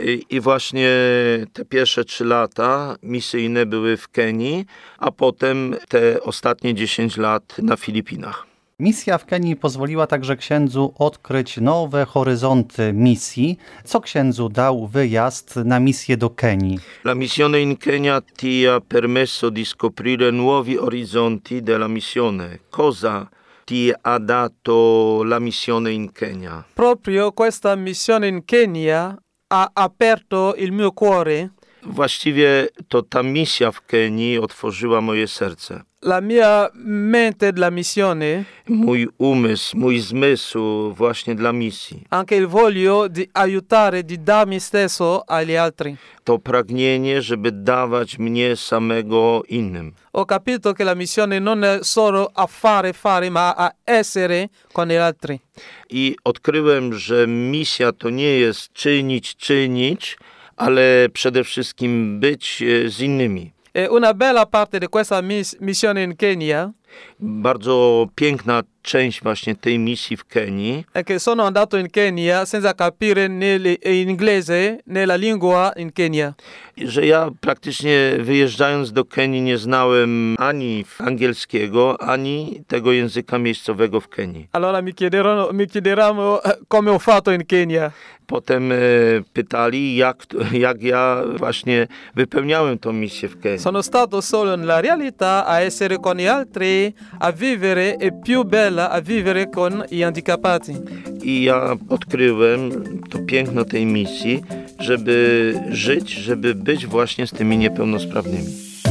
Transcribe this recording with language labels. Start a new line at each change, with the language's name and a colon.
Polish: I właśnie te pierwsze 3 lata misyjne były w Kenii, a potem te ostatnie 10 lat na Filipinach. Misja w Kenii pozwoliła także księdzu odkryć nowe horyzonty misji. Co księdzu dał wyjazd na misję do Kenii?
Italian: La missione in Kenya ti ha permesso di scoprire nuovi orizzonti della missione. Cosa ti ha dato la missione in Kenya? Proprio questa missione in Kenya ha aperto il mio cuore.
Polish: Właściwie to ta misja w Kenii otworzyła moje serce.
Italian: La mia mente della missione.
Polish: Mój umysł, mój zmysł właśnie dla misji.
Italian: Anche il voglio di aiutare, di darmi stesso agli altri.
Polish: To pragnienie, żeby dawać mnie samego innym.
Italian: Ho capito che la missione non è solo a fare, ma a essere con gli altri.
Polish: I odkryłem, że misja to nie jest czynić, ale przede wszystkim być z innymi.
Italian: E una bella parte di questa missione in Kenya.
Polish: Bardzo piękna część właśnie tej misji w Kenii.
Italian: E che sono andato in Kenya senza capire né l'inglese né la lingua in Kenya.
Polish: Że ja praktycznie wyjeżdżając do Kenii nie znałem ani angielskiego, ani tego języka miejscowego w Kenii.
Italian: Allora mi chiederanno come ho fatto in Kenya.
Polish: Potem pytali, jak ja właśnie wypełniałem tą misję w Kenii.
Italian: Sono stato solo nella realtà a essere con gli altri, a vivere e più bella a vivere con gli handicappati.
Polish: I ja odkryłem to piękno tej misji, żeby żyć, żeby być właśnie z tymi niepełnosprawnymi.